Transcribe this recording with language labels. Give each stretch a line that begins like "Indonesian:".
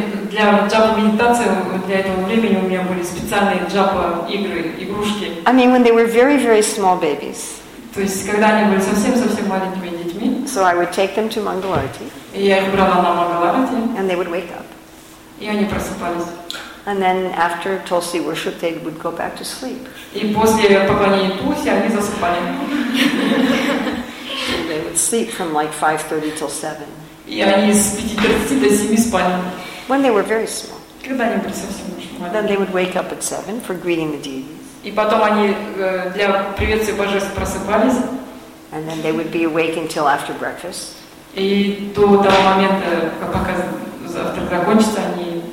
Russian: Для джапа медитации, для этого времени у меня были специальные джапа игры, игрушки.
English: I mean, when they were very, very small babies.
Russian: То есть, когда они были совсем-совсем маленькими детьми.
English: So I would take them to Mangalarti.
Russian: Я их брала на Мангаларти.
English: And they would wake up.
Russian: И они просыпались.
English: And then after Tulsi worship, they would go back to sleep.
Russian: И после поклонения Тулси они засыпали.
English: They would sleep from like 5:30 till 7.
Russian: И они с 5:30 до 7 спали.
English: When they were very small.
Russian: Когда они были совсем маленькими.
English: Then they would wake up at 7 for greeting the deities.
Russian: И потом они для приветствия божеств просыпались.
English: And then they would be awake until after breakfast.
Russian: И до того момента, пока завтрак закончится, они